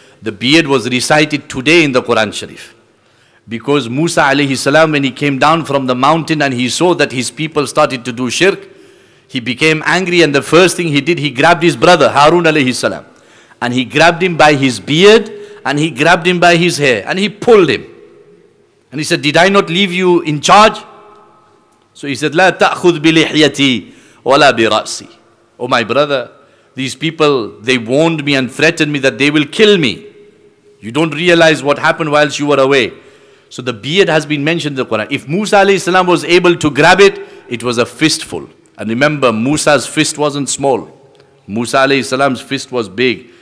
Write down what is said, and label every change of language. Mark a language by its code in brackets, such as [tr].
[en] The beard was recited today in the Quran Sharif. Because Musa alayhi salam, when he came down from the mountain and he saw that his people started to do shirk, he became angry, and the first thing he did, he grabbed his brother Harun alayhi salam, and he grabbed him by his beard and he grabbed him by his hair and he pulled him. And he said, did I not leave you in charge? So he said, [ar] لا تأخذ بلحيتي ولا برأسي. [en] Oh my brother, these people, they warned me and threatened me that they will kill me. You don't realize what happened whilst you were away. So the beard has been mentioned in the Quran. If Musa alayhi salam was able to grab it, it was a fistful. And remember, Musa's fist wasn't small. Musa alayhi salam's fist was big.